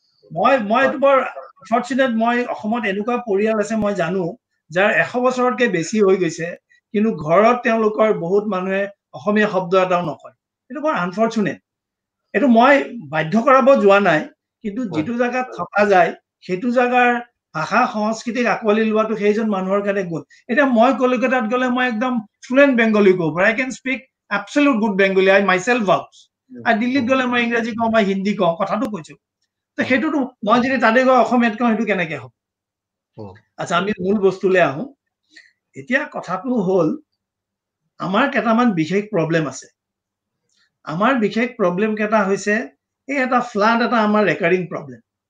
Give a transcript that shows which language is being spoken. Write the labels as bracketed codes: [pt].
[as] মই এইটো বৰ ফৰ্চুনেট, মই অসমত এনেকুৱা পৰিয়াল আছে মই জানো যাৰ 100 বছৰতকে বেছি হৈ গৈছে, কিন্তু ঘৰত তেওঁলোকৰ বহুত মানুহে অসমীয়া শব্দ এটাও নকয়, এইটো বৰ আনফৰ্চুনেট। এইটো মই বাধ্য কৰাব যোৱা নাই, কিন্তু যিটো জেগাত থকা যায় সেইটো জেগাৰ ভাষা সংস্কৃতিক আঁকোৱালি লোৱাটো সেইজন মানুহৰ কাৰণে গুণ। এতিয়া মই কলিকাতাত গ'লে মই একদম ফ্লুয়েণ্ট বেংগলী কওঁ, [en] But I can speak absolutely good Bengali, I myself vouch. [as] আৰু দিল্লীত গ'লে মই ইংৰাজী কওঁ বা হিন্দী কওঁ, কথাটো কৈছো, তো সেইটোতো মই যদি তাতে গৈ অসমীয়াত কওঁ সেইটো কেনেকে হ'ব। আচ্ছা আমি মূল বস্তুলৈ আহোঁ। এতিয়া কথাটো হ'ল আমাৰ কেইটামান বিশেষ প্ৰব্লেম আছে। আমাৰ বিশেষ প্ৰব্লেম কেইটা হৈছে, এই এটা ফ্লাড এটা আমাৰ ৰেকাৰিং প্ৰব্লেম।